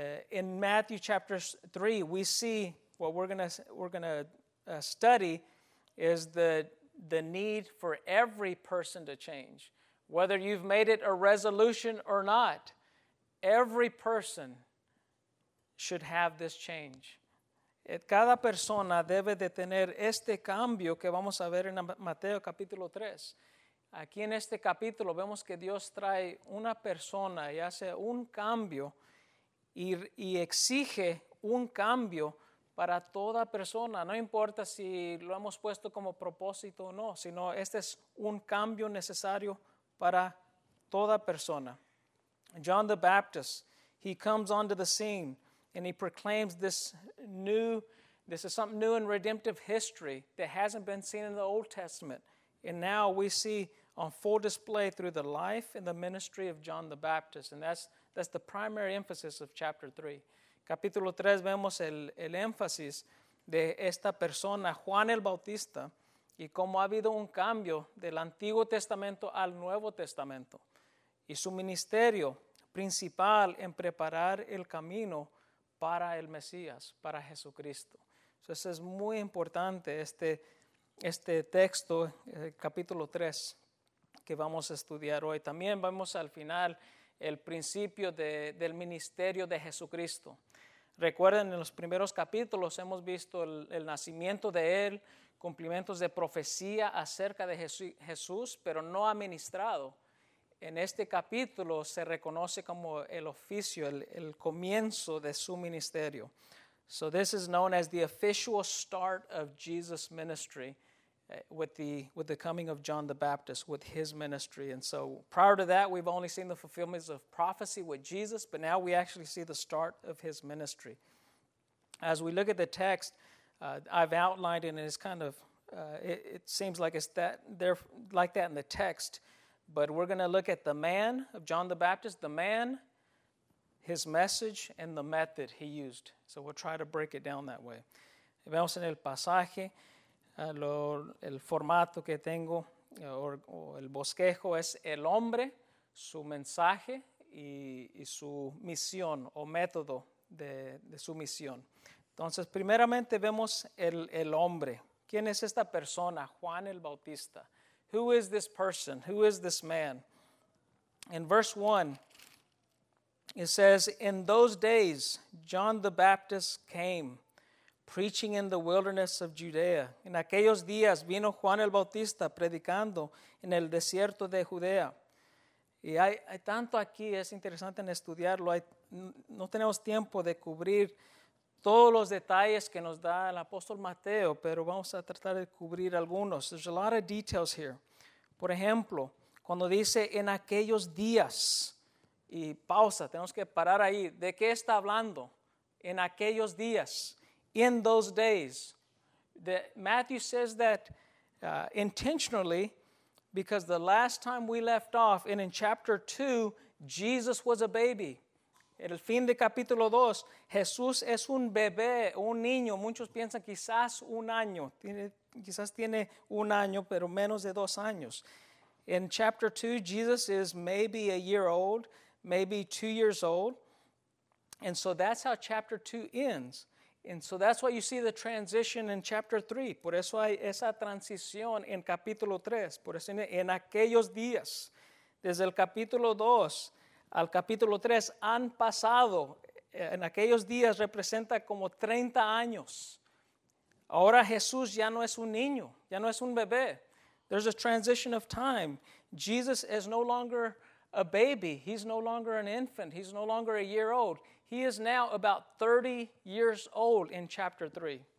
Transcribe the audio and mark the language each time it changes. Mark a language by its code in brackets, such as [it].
[en] In Matthew chapter 3, we see what we're gonna study is the need for every person to change. Whether you've made it a resolution or not, every person should have this change. [es] Cada persona debe de tener este cambio que vamos a ver en Mateo capítulo 3. Aquí en este capítulo vemos que Dios trae una persona y hace un cambio y exige un cambio para toda persona. No importa si lo hemos puesto como propósito o no, sino este es un cambio necesario para toda persona. [en] John the Baptist, he comes onto the scene and he proclaims this is something new in redemptive history that hasn't been seen in the Old Testament. And now we see on full display through the life and the ministry of John the Baptist. And that's the primary emphasis of chapter 3. [es] Capítulo 3 vemos el énfasis de esta persona, Juan el Bautista, y cómo ha habido un cambio del Antiguo Testamento al Nuevo Testamento y su ministerio principal en preparar el camino para el Mesías, para Jesucristo. Entonces es muy importante este texto, el capítulo 3, que vamos a estudiar hoy. También vamos al final el principio del ministerio de Jesucristo. Recuerden, en los primeros capítulos hemos visto el nacimiento de Él, cumplimientos de profecía acerca de Jesús, pero no ha ministrado. En este capítulo se reconoce como el oficio, el comienzo de su ministerio. [en] So this is known as the official start of Jesus' ministry with the coming of John the Baptist, with his ministry. And so prior to that, we've only seen the fulfillments of prophecy with Jesus, but now we actually see the start of his ministry. As we look at the text, I've outlined it, and it's kind of, it seems like it's that there like that in the text. But we're going to look at the man of John the Baptist, the man, his message, and the method he used. So we'll try to break it down that way. [es] Vemos en el pasaje, el formato que tengo, o el bosquejo, es el hombre, su mensaje, y su misión, o método de su misión. Entonces, primeramente vemos el hombre. ¿Quién es esta persona? Juan el Bautista. [en] Who is this person? Who is this man? In verse 1, it says, "In those days, John the Baptist came, preaching in the wilderness of Judea." [es] En aquellos días vino Juan el Bautista predicando en el desierto de Judea. Y hay tanto aquí, es interesante en estudiarlo. No tenemos tiempo de cubrir todos los detalles que nos da el apóstol Mateo, pero vamos a tratar de cubrir algunos. [en] There's a lot of details here. [es] Por ejemplo, cuando dice en aquellos días, y pausa, tenemos que parar ahí. ¿De qué está hablando? En aquellos días. [en] In those days. Matthew says that intentionally, because the last time we left off, and in chapter 2, Jesus was a baby. [es] En el fin de capítulo 2, Jesús es un bebé, un niño. Muchos piensan quizás un año. Quizás tiene un año, pero menos de dos años. [en] In chapter 2, Jesus is maybe a year old, maybe 2 years old. And so that's how chapter 2 ends. And so that's why you see the transition in chapter 3. [es] Por eso hay esa transición en capítulo 3. Por eso en aquellos días, desde el capítulo 2 al capítulo 3, han pasado. En aquellos días representa como 30 años. Ahora Jesús ya no es un niño, ya no es un bebé. [en] There's a transition of time. Jesus is no longer a baby. He's no longer an infant. He's no longer a year old. He is now about 30 years old in chapter 3.